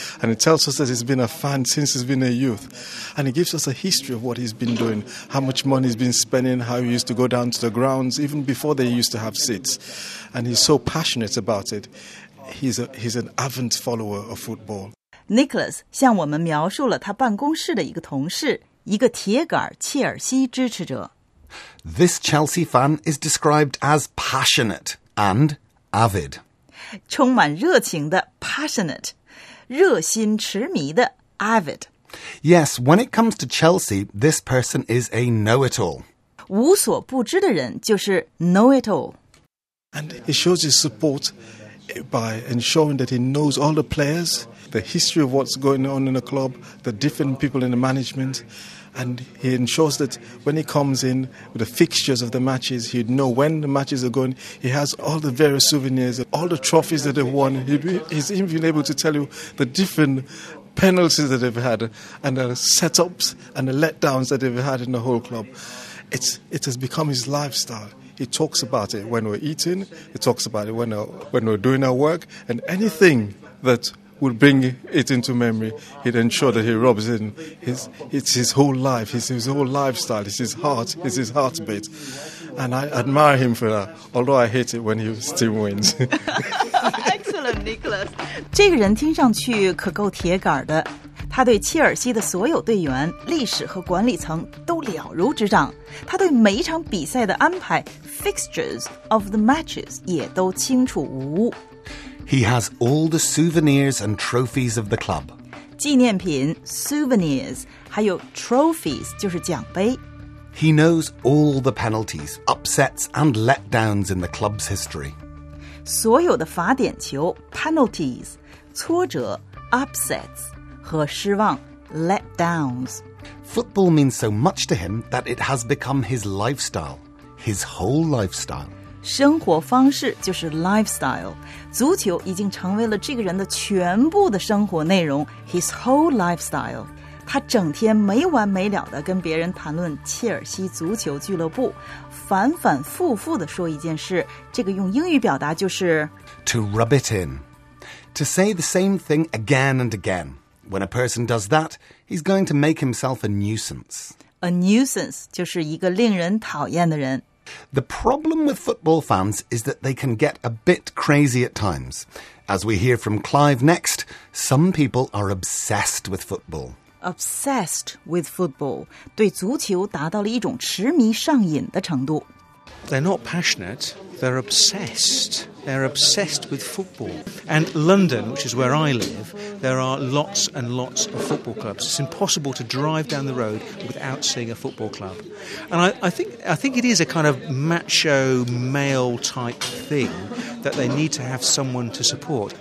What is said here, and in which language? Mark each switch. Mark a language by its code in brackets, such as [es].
[en] And he tells us that he's been a fan since he's been a youth. And he gives us a history of what he's been doing, how much money he's been spending, how he used to go down to the grounds, even before they used to have seats. And he's so passionate about it. He's an avid follower of football. [zh] Nicholas 向我们描述了他办公室的一个同事，一个铁杆切尔西支持者。 [en] This Chelsea fan is described as passionate and avid. [zh] 充满热情的 passionate, 热心痴迷的 avid. [en] Yes, when it comes to Chelsea, this person is a know-it-all. [zh] 无所不知的人就是 know-it-all. [en] And he shows his support by ensuring that he knows all the players, the history of what's going on in the club, the different people in the management, and he ensures that when he comes in with the fixtures of the matches, he'd know when the matches are going. He has all the various souvenirs, all the trophies that they've won. He's even able to tell you the different penalties that they've had and the setups and the letdowns that they've had in the whole club. It has become his lifestyle. He talks about it when we're eating, he talks about it when we're doing our work, and anything that... would bring it into memory, he'd ensure that he rubs in. It's his whole life, it's his whole lifestyle, it's his heartbeat. And I admire him for that, although I hate it when he still wins. Excellent, Nicholas. [zh] 这个人听上去可够铁杆的。他对切尔西的所有队员、历史和管理层都了如指掌，他对每一场比赛的安排 [en] fixtures of the matches [zh] 也都清楚无误。 [en] He has all the souvenirs and trophies of the club. [zh] 纪念品 souvenirs 还有 trophies 就是奖杯。 [en] He knows all the penalties, upsets and letdowns in the club's history. [zh] 所有的罚点球 penalties, 挫折 upsets和失望 letdowns. [en] Football means so much to him that it has become his lifestyle, his whole lifestyle. [zh] 生活方式就是 lifestyle. 足球已经成为了这个人的全部的生活内容 [en] his whole lifestyle. [zh] 他整天没完没了地跟别人谈论切尔西足球俱乐部，反反复复地说一件事，这个用英语表达就是 [en] To rub it in. To say the same thing again and again. When a person does that, he's going to make himself a nuisance. [zh] A nuisance 就是一个令人讨厌的人。 [en] The problem with football fans is that they can get a bit crazy at times. As we hear from Clive next, some people are obsessed with football. Obsessed with football. [zh] 对足球达到了一种痴迷上瘾的程度。 [en] They're not passionate, they're obsessed. They're obsessed with football. And London, which is where I live, there are lots and lots of football clubs. It's impossible to drive down the road without seeing a football club. And I think it is a kind of macho male type thing that they need to have someone to support.